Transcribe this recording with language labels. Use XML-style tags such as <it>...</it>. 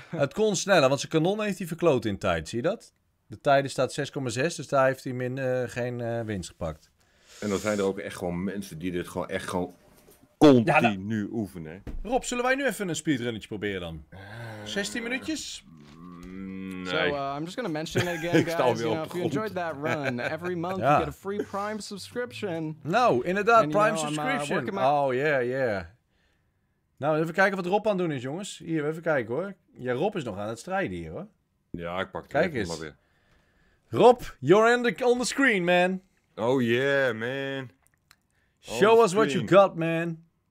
<nl>Het kon sneller, want zijn kanon heeft hij verkloot in tijd. Zie je dat? De tijden staat 6,6, dus daar heeft hij geen winst gepakt. En dan zijn er ook echt gewoon mensen die dit gewoon echt gewoon continu oefenen. Rob, zullen wij nu even een speedrunnetje proberen dan? 16 minuutjes? Nee.</nl> <en>So, I'm just gonna mention it again, guys. You know, if you enjoyed that run, every month you get a free Prime subscription.</en> <nl>Nou, inderdaad,</nl> <en>and, Prime subscription. Oh, yeah.</en> <nl>Nou, even kijken wat Rob aan het doen is, jongens. Hier, even kijken, hoor. Ja, Rob is nog aan het strijden hier, hoor. Ja, ik pak het even. Kijk eens. Weer.</nl> <en>Rob, you're on the screen, man. Oh, yeah, man. Show us what you got, man.</en>